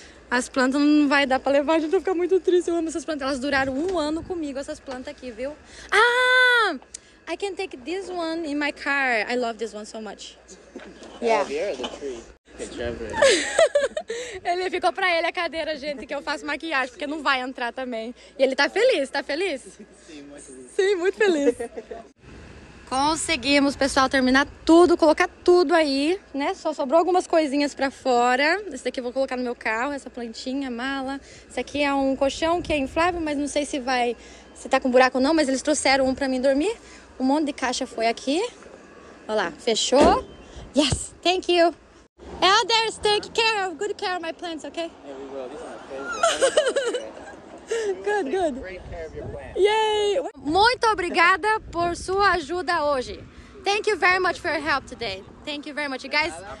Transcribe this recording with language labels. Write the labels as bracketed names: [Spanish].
[Portuguese] As plantas não vai dar pra levar, a gente vai ficar muito triste. Eu amo essas plantas. Elas duraram um ano comigo, essas plantas aqui, viu? [English] Ah! I can take this one in my car. I love this one so much. Yeah. [Portuguese] Ele ficou pra ele a cadeira, gente, que eu faço maquiagem, porque não vai entrar também. E ele tá feliz? Sim, muito feliz. Sim, muito feliz. Conseguimos, pessoal, terminar tudo, colocar tudo aí, né? Só sobrou algumas coisinhas pra fora. Esse daqui eu vou colocar no meu carro, essa plantinha, mala. Esse aqui é um colchão que é inflável, mas não sei se vai... Se tá com buraco ou não, mas eles trouxeram um pra mim dormir. Um monte de caixa foi aqui. Olha lá, fechou. [English] Yes, thank you. Elders, take care of, good care of my plants, okay? Good, good. Yay! [Portuguese] Muito obrigada por sua ajuda hoje. [English] Thank you very much for your help today. Thank you very much, you guys.